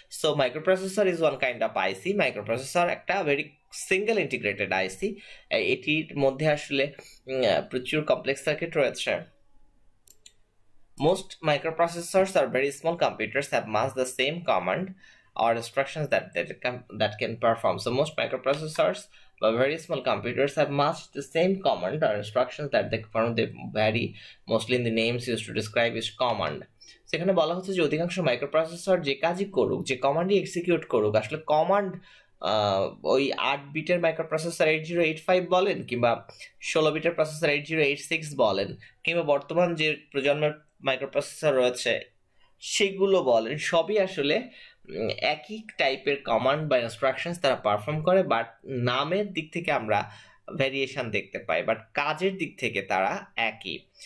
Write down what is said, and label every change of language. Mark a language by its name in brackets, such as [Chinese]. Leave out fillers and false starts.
[English] So microprocessor is one kind of IC. [Bangla] Micro processor একটা very single integrated আইসি, এটির মধ্যে আসলে প্রচুর কমপ্লেক্স সার্কিট রয়েছে। [English] Most microprocessors are very small computers have much the same command or instructions that that can perform. So most microprocessors but very small computers have much the same command or instructions that they perform. They vary mostly in the names used to describe each command. [Bangla] সেখানে বলা হচ্ছে যে অধিকাংশ microprocessor যে কাজই করুক, যে কমান্ডই execute করুক, আসলে কমান্ড ওই 8 বিটের মাইক্রোপ্রসেসর 8085 বলেন, কিংবা 16 বিটের প্রসেসর 8086 বলেন, কিংবা বর্তমান যে প্রজন্মের মাইক্রোপ্রসেসর রয়েছে সেগুলো বলেন, সবই আসলে একই টাইপের কমান্ড বা ইনস্ট্রাকশনস তারা পারফর্ম করে, বাট নামের দিক থেকে আমরা ভ্যারিয়েশন দেখতে পাই, বাট কাজের দিক থেকে তারা একই।